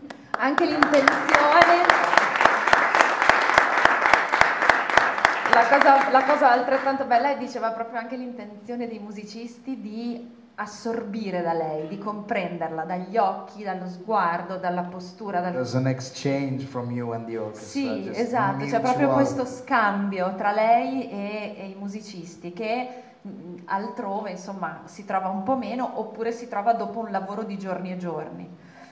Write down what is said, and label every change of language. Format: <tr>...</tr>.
<it>Anche l'intenzione... La cosa altrettanto bella, e diceva proprio anche l'intenzione dei musicisti di assorbire da lei, di comprenderla dagli occhi, dallo sguardo, dalla postura.</it> <en>There's an exchange from you and the orchestra.</en> <it>Sì, esatto, c'è proprio questo scambio tra lei e i musicisti, che altrove insomma si trova un po' meno, oppure si trova dopo un lavoro di giorni e giorni.</it>